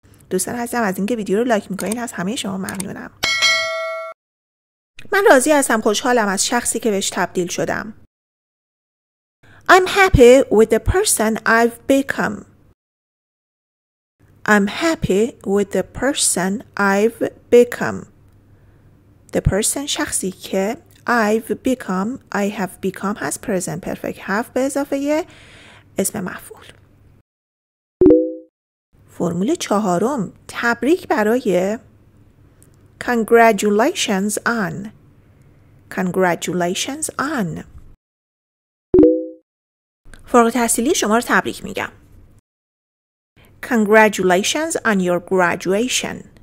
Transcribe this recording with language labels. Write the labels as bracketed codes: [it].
[fa] دوستان عزیزم، از اینکه ویدیو رو لایک میکنین از همه شما ممنونم. من راضی هستم، خوشحالم از شخصی که بهش تبدیل شدم. [en] I'm happy with the person I've become. I'm happy with the person I've become. The person [fa] شخصی که [en] I've become, I have become has present perfect have [fa] به اضافه اسم مفعول. فرمول چهارم، تبریک برای [en] Congratulations on. Congratulations on. [fa] فارغ التحصیلی شما رو تبریک میگم. [en] Congratulations on your graduation.